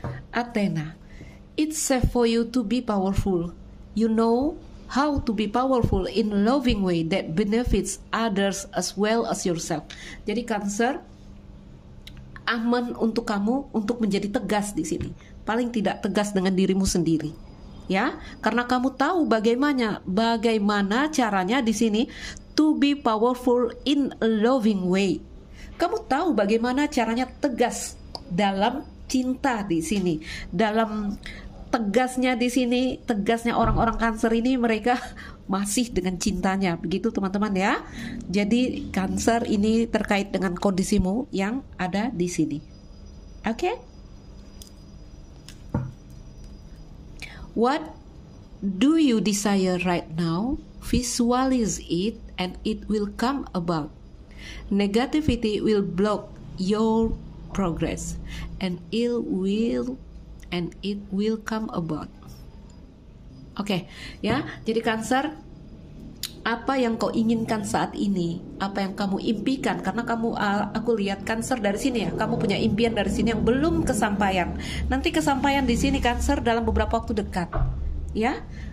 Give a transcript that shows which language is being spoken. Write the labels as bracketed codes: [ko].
[en] Athena, it's safe for you to be powerful. You know how to be powerful in loving way that benefits others as well as yourself. [id] Jadi Cancer, aman untuk kamu untuk menjadi tegas di sini. Paling tidak tegas dengan dirimu sendiri. Ya, karena kamu tahu bagaimana caranya di sini [en] to be powerful in a loving way. [id] Kamu tahu bagaimana caranya tegas dalam cinta di sini. Dalam tegasnya di sini, tegasnya orang-orang Cancer ini, mereka masih dengan cintanya. Begitu teman-teman ya. Jadi Cancer ini terkait dengan kondisimu yang ada di sini. [en] Oke? Okay? What do you desire right now? Visualize it and it will come about. Negativity will block your progress and it will come about. Okay, ya. [id] Jadi Cancer, apa yang kau inginkan saat ini? Apa yang kamu impikan? Karena kamu aku lihat Cancer dari sini ya. Kamu punya impian dari sini yang belum kesampaian. Nanti kesampaian di sini Cancer dalam beberapa waktu dekat. Ya.